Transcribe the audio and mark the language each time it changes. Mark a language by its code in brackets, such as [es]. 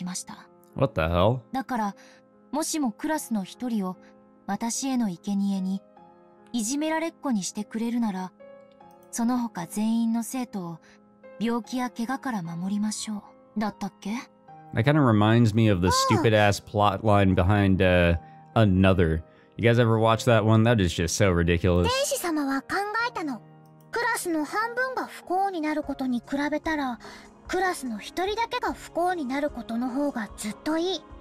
[ja] でも魔女は強大で戦いは7日7番に及んだんだけど、それでも決着しなかった。疲れ切った魔女は救世しようと言って皇帝案したの。前に聞いたわ。私はこれまでクラスの生徒の半分を病気にしたり怪我をさせたりしてきました。でもその代わりに残りの半分の生徒は病気と怪我から守ってきました。 [en] What the hell? [ja] もしもクラスの一人を私への生贄にいじめられっ子にしてくれるなら、その他全員の生徒を病気や怪我から守りましょう。だったっけ? [en] That kind of reminds me of the stupid ass plot line behind Another. You guys ever watch that one? That is just so ridiculous. [ja] 天使様は考えたの。クラスの半分が不幸になることに比べたら、クラスの一人だけが不幸になることの方がずっといい。